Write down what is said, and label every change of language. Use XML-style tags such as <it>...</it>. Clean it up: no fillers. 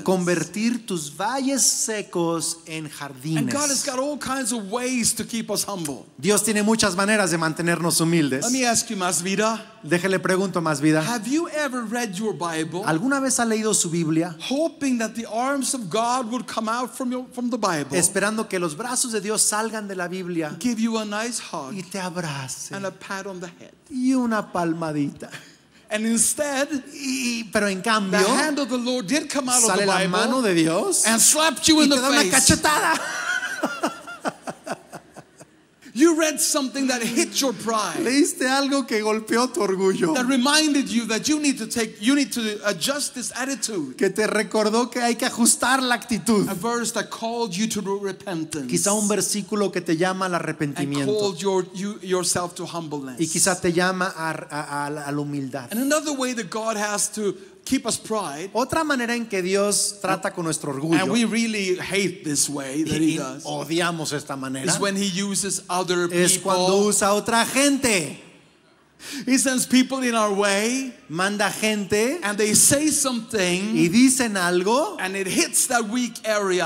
<es>Y convertir tus valles secos en jardines.</es> <en>And God has got all kinds of ways to keep us humble.</en> <es>Dios tiene muchas maneras de mantenernos humildes.</es> <en>Let me ask you,</en> <es>más vida. Déjele pregunto más vida.</es> <en>Have you ever read your Bible?</en> <es>¿Alguna vez ha leído su Biblia?</es> <en>Hoping that the arms of God would come out from the Bible.</en> <es>Esperando que los brazos de Dios salgan de la Biblia.</es> <en>Give you a nice hug.</en> <es>Y te abrace.</es> <en>And a pat on the head.</en> <es>Y una palmadita.</es> <en>And instead,</en> <es>pero en cambio,</es> <en>the hand of the Lord did come out of the Bible.</en> <es>Sale la mano de Dios.</es> <en>And slapped you in the face.</en> <es>Y te da una cachetada.</es> <en>You read something that hit your pride.</en> <es>Leíste algo que golpeó tu orgullo.</es> <en>That reminded you that you need to adjust this attitude.</en> <es>Que te recordó que hay que ajustar la actitud.</es> <en>A verse that called you to repentance.</en> <es>Quizá un versículo que te llama al arrepentimiento.</es> <en>And called yourself to humbleness.</en> <es>Y quizá te llama a la humildad.</es> <en>And another way that God has to keep us pride.</en> <es>Otra manera en que Dios trata con nuestro orgullo.</es> <en>And we really hate this way that he does.</en> <es>Odiamos esta manera.</es> <en>Is when he uses other people.</en> <es>Es cuando usa otra gente.</es> <en>He sends people in our way.</en> <es>Manda gente.</es> <en>And they say something.</en> <es>Y dicen algo.</es> <en>And it hits that weak area.</en>